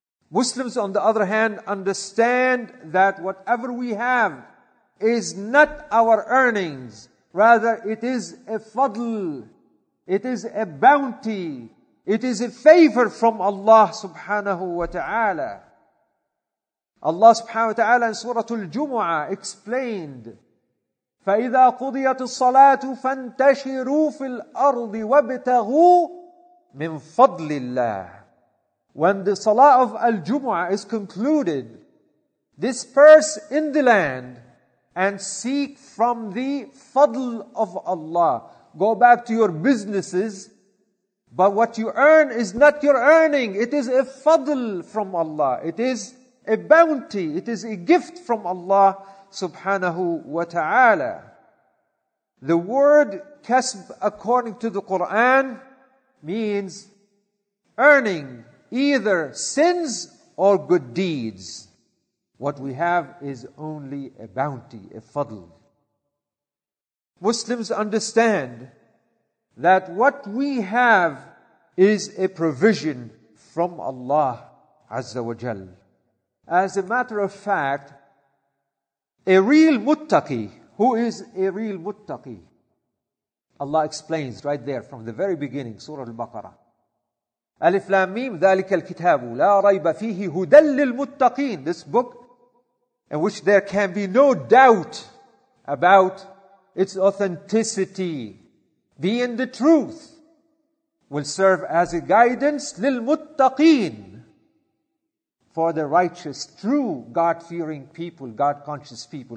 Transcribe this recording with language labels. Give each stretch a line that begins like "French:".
English: Muslims, on the other hand, understand that whatever we have is not our earnings. Rather, it is a fadl. It is a bounty. It is a favor from Allah subhanahu wa ta'ala. Allah subhanahu wa ta'ala in Surah Al-Jumu'ah explained,
Arabic: فَإِذَا قُضِيَتِ الصَّلَاةُ فَانْتَشِرُوا فِي الْأَرْضِ وَابْتَغُوا مِنْ فَضْلِ اللَّهِ.
English: When the Salah of Al-Jumu'ah is concluded, disperse in the land and seek from the fadl of Allah. Go back to your businesses, but what you earn is not your earning. It is a fadl from Allah. It is a bounty. It is a gift from Allah subhanahu wa ta'ala. The word kasb, according to the Quran, means earning either sins or good deeds. What we have is only a bounty, a fadl. Muslims understand that what we have is a provision from Allah azza wa jal. As a matter of fact, a real muttaqi, who is a real muttaqi? Allah explains right there from the very beginning, Surah Al-Baqarah.
Arabic: Alif Lam Mim, ذَلِكَ الْكِتَابُ لَا رَيْبَ فِيهِ هُدَى لِلْمُتَّقِينَ.
English: This book and which there can be no doubt about its authenticity, being the truth, will serve as a guidance للمتقين, for the righteous, true God-fearing people, God-conscious people.